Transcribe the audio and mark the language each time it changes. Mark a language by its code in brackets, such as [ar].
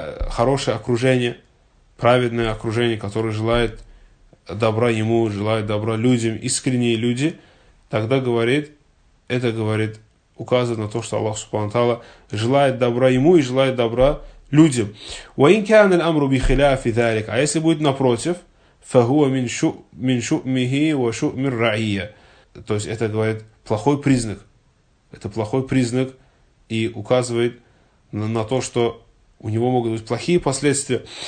[ru] хорошее окружение, праведное окружение, которое желает добра ему, желает добра людям, искренние люди, тогда говорит, это говорит, указывает на то, что Аллах, Субхану ва Тааля, желает добра ему и желает добра людям. [ar] وَإِنْ كَانَ الْأَمْرُ بِخِلَافِ ذَلِكَ. [ru] А если будет напротив, [ar] فَهُوَ مِنْ شُؤْمِهِ وَشُؤْمِ الرَّعِيَ. [ru] То есть это говорит плохой признак. Это плохой признак и указывает на то, что у него могут быть плохие последствия.